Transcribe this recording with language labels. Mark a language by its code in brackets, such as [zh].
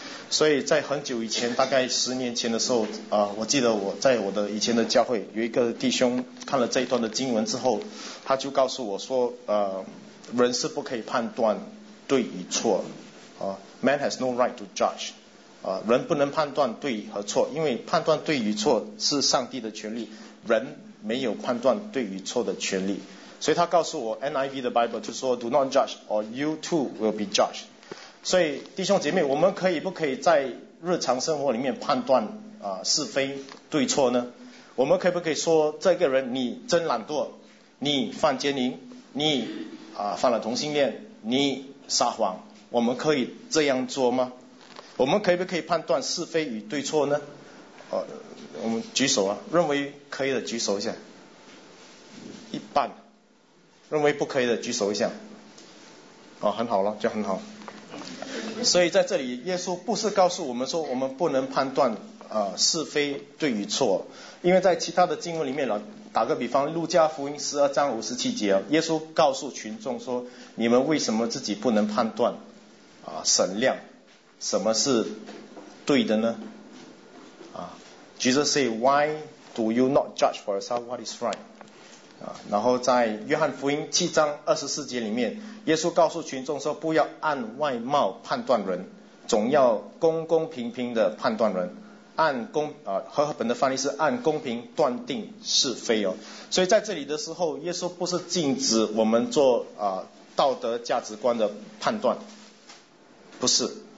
[zh] 所以在很久以前，大概十年前的时候我记得我在我的以前的教会有一个弟兄看了这一段的经文之后，他就告诉我说人是不可以判断对与错 [en] Man has no right to judge [zh] 人不能判断对和错，因为判断对与错是上帝的权利，人没有判断对与错的权利。所以他告诉我 [en] NIV 的 Bible [zh] 就说 [en] Do not judge or you too will be judged。 [zh] 所以弟兄姐妹，我们可以不可以在日常生活里面判断是非对错呢？我们可以不可以说这个人你真懒惰，你犯奸淫，你犯了同性恋，你撒谎，我们可以这样做吗？我们可以不可以判断是非与对错呢？我们举手啊，认为可以的举手一下，一半；认为不可以的举手一下。很好了，就很好。所以在这里，耶稣不是告诉我们说我们不能判断是非对与错，因为在其他的经文里面呢。打个比方，路加福音十二章五十七节，耶稣告诉群众说，你们为什么自己不能判断审量什么是对的呢？ [en] Jesus say, why do you not judge for yourself what is right? [zh] 然后在约翰福音七章二十四节里面，耶稣告诉群众说，不要按外貌判断人，总要公公平平的判断人。按公和合本的翻译是按公平断定是非哦。所以在这里的时候，耶稣不是禁止我们做道德价值观的判断，不是。